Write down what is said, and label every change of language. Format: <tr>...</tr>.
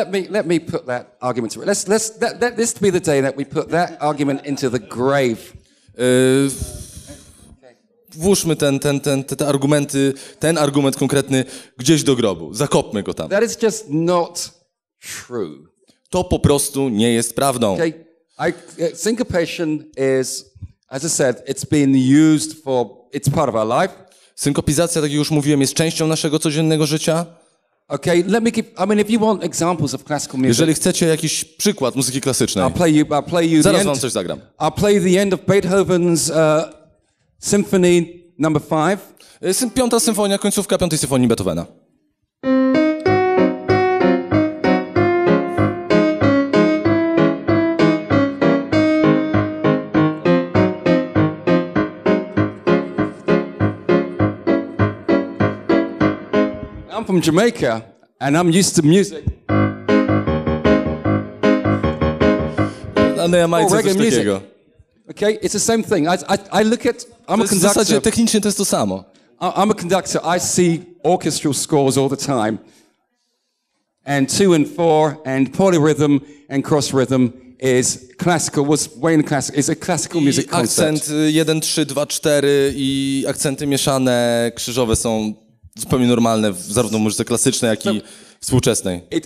<en>Let me put that argument to rest. Let this be the day that we put that argument into the grave.</en> <pl>Włóżmy te argumenty, ten argument konkretny gdzieś do grobu. Zakopmy go tam.</pl> <en>That is just not true.</en> <pl>To po prostu nie jest prawdą.</pl> <en>Okay. Syncopation is, as I said, it's been used for, it's part of our life.</en> <pl>Synkopizacja, tak jak już mówiłem, jest częścią naszego codziennego życia.</pl> <en>Okay, let me keep, I mean, if you want examples of classical music.</en> <pl>Jeżeli chcecie jakiś przykład muzyki klasycznej.</pl> <en>I'll play you</en> <pl>zaraz wam coś zagram.</pl> <en>I'll play the end of Beethoven's symphony number 5.</en> <pl>Piąta symfonia, końcówka piątej symfonii Beethovena.</pl> <en>I'm from Jamaica. And I'm used to music.</en> <pl>No, ja mam coś takiego.</pl> <en>Okay, it's the same thing. I look at, I'm a conductor.</en> <pl>W zasadzie technicznie to jest to samo.</pl> <en>I'm a conductor. I see orchestral scores all the time. And 2 and 4 and polyrhythm and cross rhythm is classical. Was Wayne classical? Is a classical music concert.</en> <pl>Akcent 1, 3, 2, 4 i akcenty mieszane krzyżowe są zupełnie normalne, zarówno w muzyce klasycznej, jak i współczesnej.</pl>